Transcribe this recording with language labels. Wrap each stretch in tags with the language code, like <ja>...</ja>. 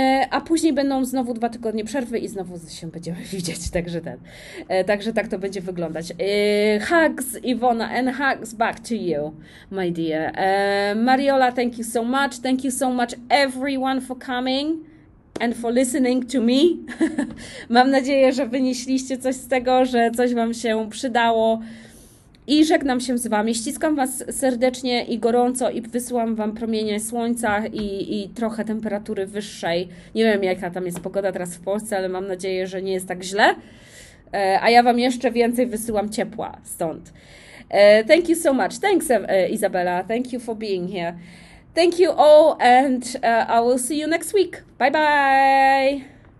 <pl>A później będą znowu dwa tygodnie przerwy i znowu się będziemy widzieć, także tak to będzie wyglądać.</pl> <en>Hugs Iwona and hugs back to you, my dear. Mariola, thank you so much everyone for coming and for listening to me.</en> <pl>Mam nadzieję, że wynieśliście coś z tego, że coś wam się przydało. I żegnam się z Wami. Ściskam Was serdecznie i gorąco i wysyłam Wam promienie słońca i trochę temperatury wyższej. Nie wiem, jaka tam jest pogoda teraz w Polsce, ale mam nadzieję, że nie jest tak źle. A ja Wam jeszcze więcej wysyłam ciepła stąd.</pl> <en>Thank you so much. Thanks, Izabela. Thank you for being here. Thank you all and I will see you next week. Bye bye.</en>